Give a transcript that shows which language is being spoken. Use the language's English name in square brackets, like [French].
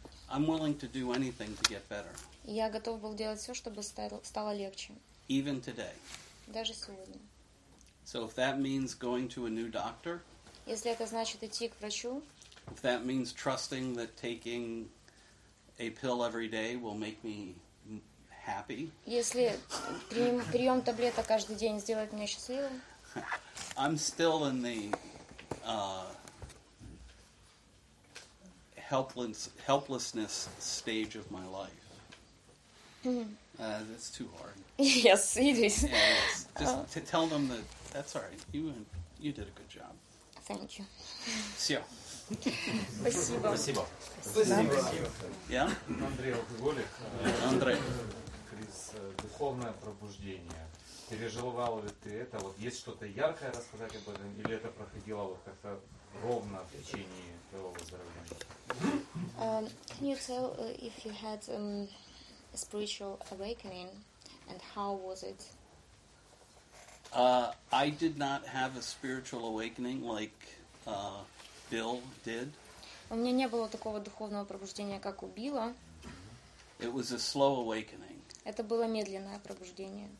[English] I'm willing to do anything to get better. [Russian] Я готов был делать все, чтобы стало легче. [English] Even today. [Russian] Даже сегодня. [English] So if that means going to a new doctor. [Russian] Если это значит идти к врачу. [English] If that means trusting that taking a pill every day will make me happy. [Russian] Если прием таблеток каждый день сделает меня счастливым. [English] I'm still in the helplessness stage of my life. That's too hard. Yes, it is. To tell them that that's all right. You did a good job. Thank you. [Russian] Все. Спасибо. Спасибо. Спасибо. [English] Yeah? [Russian] Андрей, алкоголик. Андрей. Духовное пробуждение. Переживал ли ты это? Вот есть что-то яркое рассказать об этом, или это проходило вот как-то ровно в течение твоего выздоровления? [English] Can you tell if you had a spiritual awakening And how was it? I did not have a spiritual awakening like Bill did. [Russian] У меня не было такого духовного пробуждения, как у Билла. [English] It was a slow awakening. [Russian] Это было медленное пробуждение.